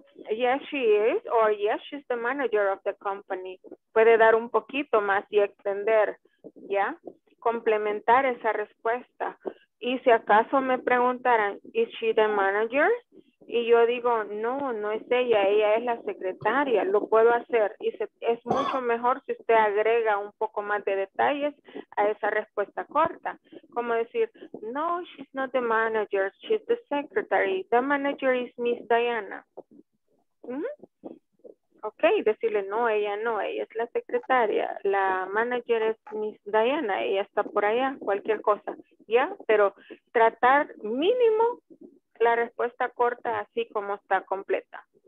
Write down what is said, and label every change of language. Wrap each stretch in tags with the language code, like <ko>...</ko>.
<en>Yes, she is, or yes, she's the manager of the company.</en> <es>Puede dar un poquito más y extender, ¿ya? Complementar esa respuesta. Y si acaso me preguntaran,</es> <en>¿is she the manager?</en> <es>Y yo digo, no, no es ella, ella es la secretaria, lo puedo hacer. Y se, es mucho mejor si usted agrega un poco más de detalles a esa respuesta corta. Como decir, no,</es> <en>she's not the manager, she's the secretary. The manager is Miss Diana. ¿Mm?</en> <es>Ok, decirle, no, ella no, ella es la secretaria. La manager es Miss Diana, ella está por allá, cualquier cosa. ¿Ya? Pero tratar mínimo... la respuesta corta así como está completa.</es>